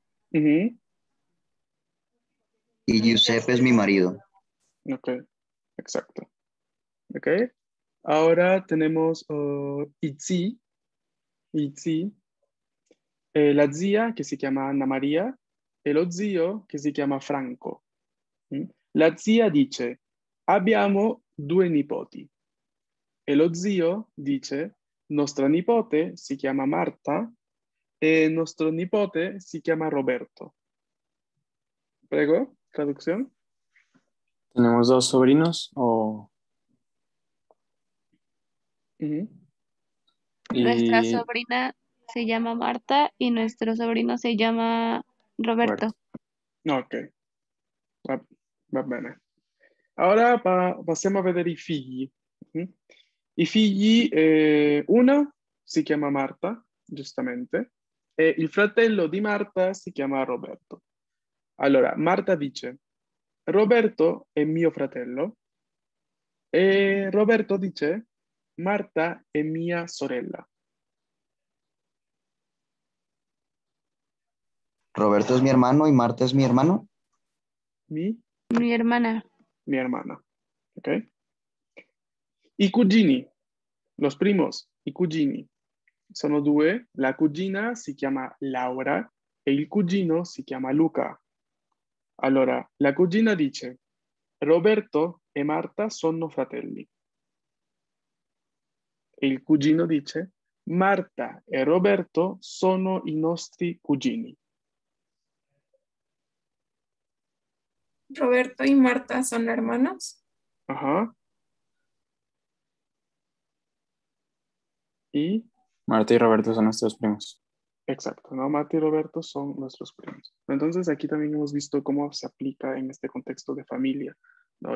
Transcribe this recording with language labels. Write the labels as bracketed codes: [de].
[es] Y Giuseppe es mi marido. Ok, exacto. Ok, ahora tenemos Itzi, la zia que se llama Anna Maria, y lo zio que se llama Franco. [it] La zia dice: Abbiamo due nipoti. E lo zio dice: Nostra nipote si chiama Marta e nostro nipote si chiama Roberto. Prego, [es] traducción. Tenemos dos sobrinos o. Nuestra sobrina se llama Marta y nuestro sobrino se llama Roberto. [it] Ok. Va bene. Ora passiamo a vedere i figli. I figli, una si chiama Marta, giustamente, e il fratello di Marta si chiama Roberto. Allora, Marta dice, Roberto è mio fratello, e Roberto dice, Marta è mia sorella. Roberto è mio [es] hermano [it] e Marta è mio hermano? [es] Mi hermana. Mi hermana. [it] Ok. I cugini. [es] Los primos. [it] I cugini. Sono due. La cugina si chiama Laura e il cugino si chiama Luca. Allora, la cugina dice: Roberto e Marta sono fratelli. E il cugino dice: Marta e Roberto sono i nostri cugini. [es] Roberto y Marta son hermanos. Ajá. Y Marta y Roberto son nuestros primos. Exacto, ¿no? Marta y Roberto son nuestros primos. Entonces, aquí también hemos visto cómo se aplica en este contexto de familia, ¿no?